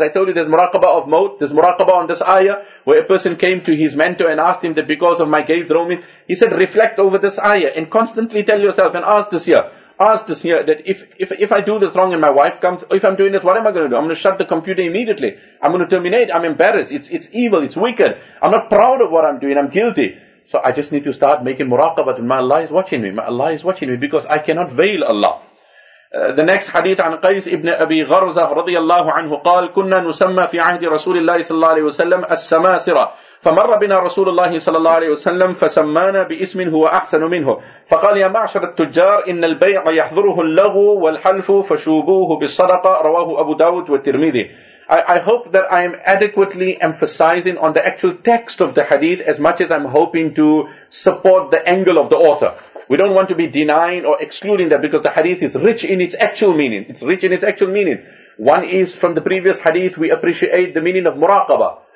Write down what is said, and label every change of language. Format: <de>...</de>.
<en>I told you there's muraqabah of maut, there's muraqabah on this ayah, where a person came to his mentor and asked him that because of my gaze roaming, he said, reflect over this ayah and constantly tell yourself and ask this year that if I do this wrong and my wife comes, if I'm doing this, what am I going to do? I'm going to shut the computer immediately. I'm going to terminate. I'm embarrassed. It's evil. It's wicked. I'm not proud of what I'm doing. I'm guilty. So I just need to start making muraqabah that my Allah is watching me. My Allah is watching me because I cannot veil Allah. The next hadith</en> <ar>عن قيس ابن أبي غرزة رضي الله عنه قال كنا نسمى في عهد رسول الله صلى الله عليه وسلم السماسرة فمر بنا رسول الله صلى الله عليه وسلم فسمانا باسم هو أحسن منه فقال يا معشر التجار إن البيع يحضره اللغو والحلف فشوبوه بالصدقة رواه أبو داود والترمذي.</ar> <en>I hope that I am adequately emphasizing on the actual text of the hadith as much as I'm hoping to support the angle of the author. We don't want to be denying or excluding that because the hadith is rich in its actual meaning. It's rich in its actual meaning. One is from the previous hadith, we appreciate the meaning of muraqabah.</en>